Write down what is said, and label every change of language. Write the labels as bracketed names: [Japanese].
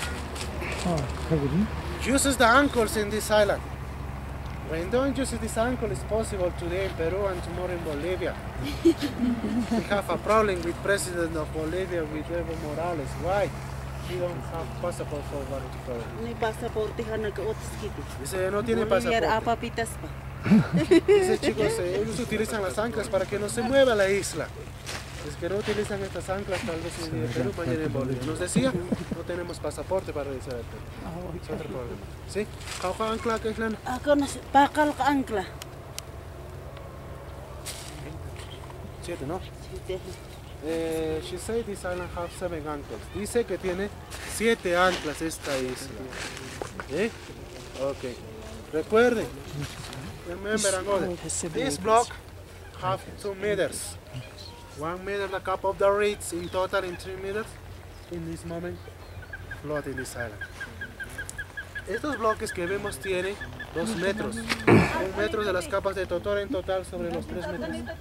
[English] Yes, anclas, okay? Uses the anchors in this island. When don't use this ankle, it's possible today in Peru and tomorrow in Bolivia. We have a problem with President of Bolivia, with Evo Morales. Why? He don't have passport for what it's called. No passport, he has [Spanish] no otro. Dice, no tiene pasaporte. Bolivia, papitas. Dice, chicos, ellos utilizan las anclas para que no se mueva la isla. Es que no utilizan estas anclas, tal vez en Perú, mañana en Bolivia. Nos decía, no tenemos pasaporte para realizar el Perú. Es otro problema. ¿Sí? ¿Cómo ancla que es la? Pacal ancla. ¿Siete, no? Siete. [English] She said this island has seven anclas. [Spanish] Dice que tiene siete anclas esta isla. ¿Eh? Ok. Recuerden. [English] Remember, this block has 2 meters. 1 meter, the cup of the reeds, in total in 3 meters, in this moment, float in this island. [Spanish] Estos bloques que vemos tienen 2 metros. 1 metro de las capas de totora en total sobre los 3 metros.